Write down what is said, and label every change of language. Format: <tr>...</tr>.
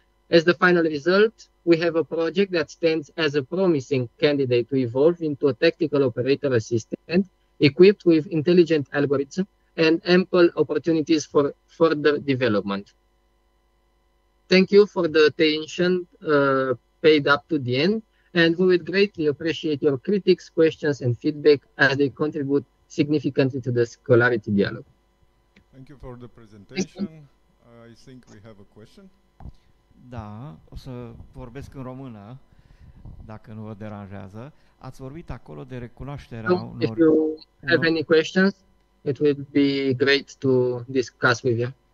<en>As the final result, we have a project that stands as a promising candidate to evolve into a tactical operator assistant equipped with intelligent algorithms and ample opportunities for further development. Thank you for the attention paid up to the end, and we would greatly appreciate your critics, questions, and feedback as they contribute significantly to the Scholarity Dialogue. Thank you for the presentation. I think we have a question.</en> <ro>Da, o să vorbesc în română, dacă nu vă deranjează. Ați vorbit acolo de recunoașterea unor...</ro> <en>If you have any questions, it would be great to discuss with you.</en>